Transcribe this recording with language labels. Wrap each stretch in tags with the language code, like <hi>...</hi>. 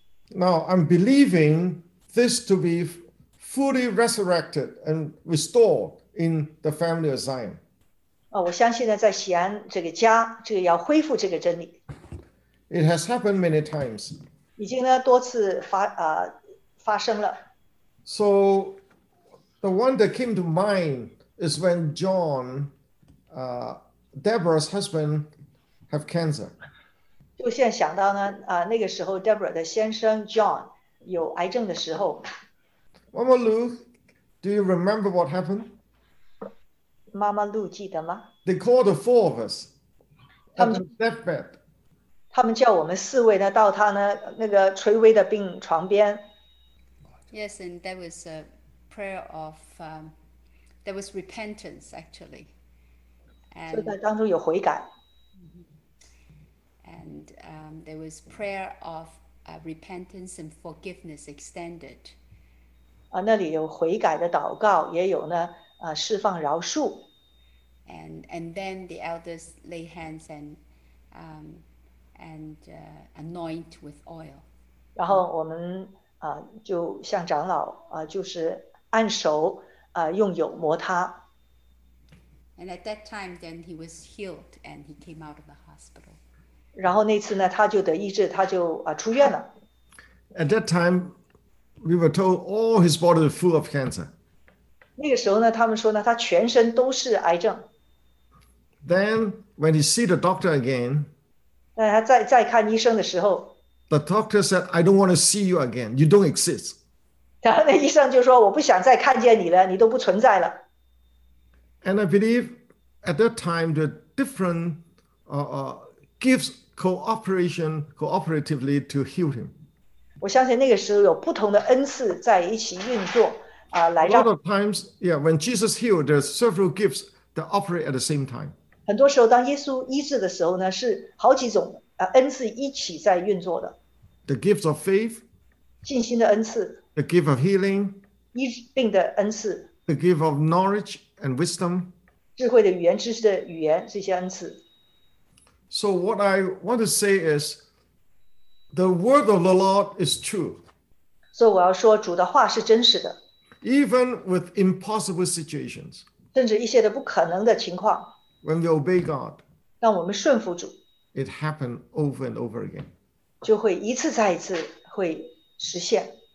<en>Now I'm believing this to be fully resurrected and restored in the family of Zion.</en> <zh>我相信呢，在锡安这个家，这个要恢复这个真理。</zh> <en>It has happened many times.</en> <zh>已经呢多次发生了。</zh> <en>So the one that came to mind is when John, Deborah's husband, have cancer.</en> <zh>就现在想到呢，那个时候 Deborah 的先生 John 有癌症的时候。</zh> <en>Mama Lou, do you remember what happened?</en> <zh>Mama Lou 记得吗？</zh> <en>They called the four of us at the deathbed.</en> <zh>他们叫我们四位呢，到他呢那个垂危的病床边。</zh> <en>Yes, and that was a prayer of, that was repentance actually.</en> <zh>就在当中有悔改。</zh> <en>And there was prayer of repentance and forgiveness extended.</en> <zh>那里有悔改的祷告，也有呢释放饶恕。</zh> <en>And then the elders lay hands and anoint with oil.</en> <zh>然后我们就向长老就是按手用油抹他。</zh> <en>And at that time, then he was healed and he came out of the hospital.</en> <zh>然后那次呢，他就得医治，他就出院了。</zh> <en>At that time, we were told all his body was full of cancer.</en> <zh>那个时候呢，他们说呢，他全身都是癌症。</zh> <en>Then when he see the doctor again.</en> <zh>在看医生的时候</zh> <en>，The doctor said, "I don't want to see you again. You don't exist."</en> <zh>然后那医生就说，我不想再看见你了，你都不存在了。</zh> <en>And I believe at that time the different gifts cooperatively to heal him.</en> <zh>我相信那个时候有不同的恩赐在一起运作来让。</zh> <en>A lot of times, yeah, when Jesus healed, there's several gifts that operate at the same time.</en> <zh>很多时候当耶稣医治的时候呢，是好几种恩赐一起在运作的。</zh> <en>The gifts of faith.</en> <zh>信心的恩赐。</zh> <en>The gift of healing.</en> <zh>医病的恩赐。</zh> <en>The gift of knowledge and wisdom.</en> <zh>智慧的语言，知识的语言，这些恩赐。</zh> <en>So what I want to say is, the word of the Lord is true.</en> <zh>所以我要说主的话是真实的。</zh> <en>Even with impossible situations.</en> <zh>甚至一些的不可能的情况。</zh> <en>When we obey God, it happens over and over again.</en> <zh>就会一次再一次会实现。</zh>